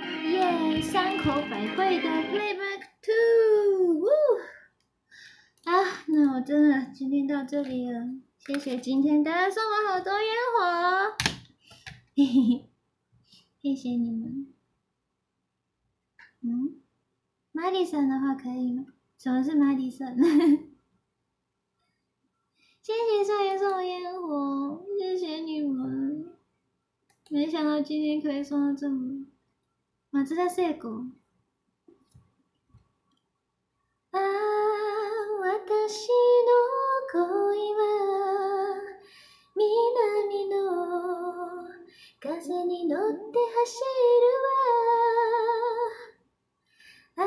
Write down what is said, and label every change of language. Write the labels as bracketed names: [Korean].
[Chinese] イエーイ三口百惠的 Playback 2啊，那我真的今天到这里了，谢谢今天大家送我好多烟火，嘿嘿，谢谢你们。嗯，玛丽森的话可以吗？什么是玛丽森？谢谢少爷送我烟火，谢谢你们。没想到今天可以送到这么，马自达帅哥。 [Japanese] ああ、私の恋は南の風に乗って走るわ。